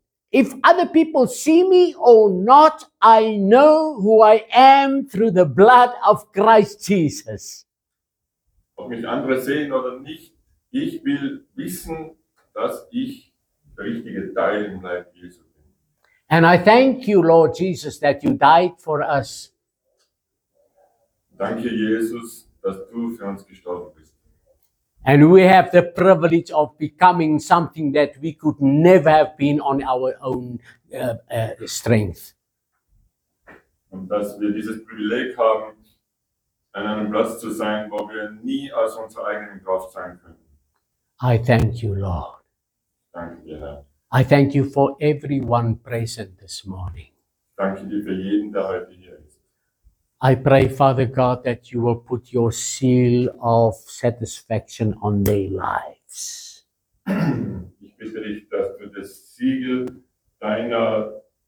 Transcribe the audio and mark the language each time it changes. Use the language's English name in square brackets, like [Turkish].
[English] If other people see me or not, I know who I am through the blood of Christ Jesus. [German] Ob mich andere sehen oder nicht, ich will wissen, dass ich der richtige Teil im Leib Jesu bin. [English] And I thank you, Lord Jesus, that you died for us. [German] Danke, Jesus, dass du für uns gestorben bist. [English] And we have the privilege of becoming something that we could never have been on our own strength. [German] Und dass wir dieses Privileg haben, an einem Platz zu sein, wo wir nie aus unserer eigenen Kraft sein können. [English] I thank you, Lord. [German] Danke dir, Herr. [English] I thank you for everyone present this morning. [German] Danke dir für jeden, der heute hier. [English] I pray, Father God, that you will put your seal of satisfaction on their lives. [German] Ich bitte dich, dass du das Siegel deiner